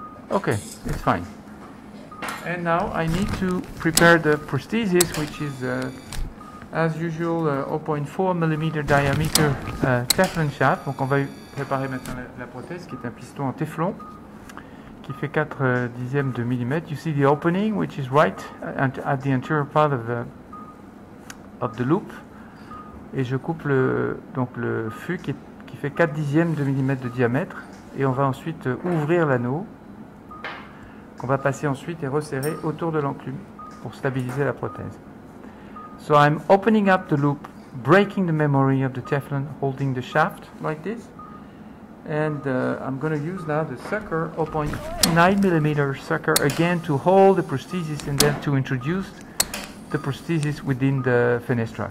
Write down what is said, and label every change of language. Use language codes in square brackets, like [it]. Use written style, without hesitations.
[en] Okay, it's fine. And now I need to prepare the prosthesis, which is as usual, 0.4 mm diameter Teflon shaft. [fr] Donc on va préparer maintenant la prothèse, qui est un piston en Teflon, qui fait 4 dixièmes de millimètre. [en] You see the opening, which is right at the anterior part of the loop. [fr] Et je coupe le fût qui fait 4 dixièmes de millimètre de diamètre. Et on va ensuite ouvrir l'anneau, qu'on va passer ensuite et resserrer autour de l'enclume pour stabiliser la prothèse. [en] So I'm opening up the loop, breaking the memory of the Teflon, holding the shaft like this. And I'm going to use now the sucker, 0.9 millimeter sucker, again to hold the prosthesis and then to introduce the prosthesis within the fenestra.